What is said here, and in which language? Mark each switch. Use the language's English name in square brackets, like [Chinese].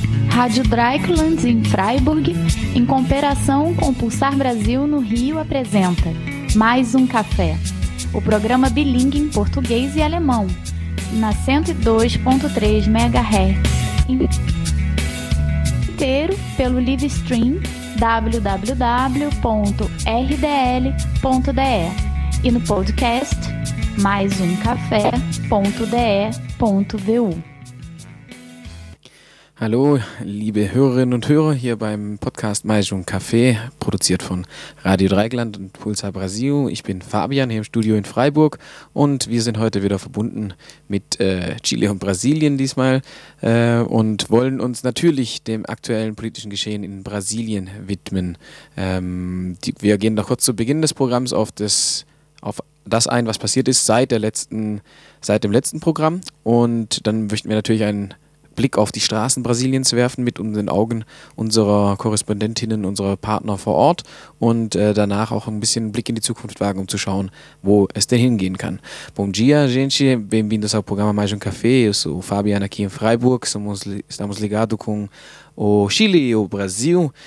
[Portuguese] Rádio Dreieckland em Freiburg, em cooperação com o Pulsar Brasil no Rio, apresenta Mais um Café, o programa bilíngue em português e alemão, na 102.3 MHz, inteiro pelo live stream www.rdl.de e no podcast maisumcafé.de.vu. [German] Hallo, liebe Hörerinnen und Hörer, hier beim Podcast Maisum Café, produziert von Radio Dreieckland und Pulsar Brasil. Ich bin Fabian hier im Studio in Freiburg und wir sind heute wieder verbunden mit Chile und Brasilien diesmal und wollen uns natürlich dem aktuellen politischen Geschehen in Brasilien widmen. Wir gehen noch kurz zu Beginn des Programms auf das ein, was passiert ist seit dem letzten Programm, und dann möchten wir natürlich einen Blick auf die Straßen Brasiliens werfen mit unseren Augen unserer Korrespondentinnen, unserer Partner vor Ort, und danach auch ein bisschen Blick in die Zukunft wagen, um zu schauen, wo es denn hingehen kann. [Portuguese] Bom dia, gente. Bem-vindos ao programa Mais um Café. Eu sou o Fabiano aqui em Freiburg. Estamos ligados com o Chile e o Brasil.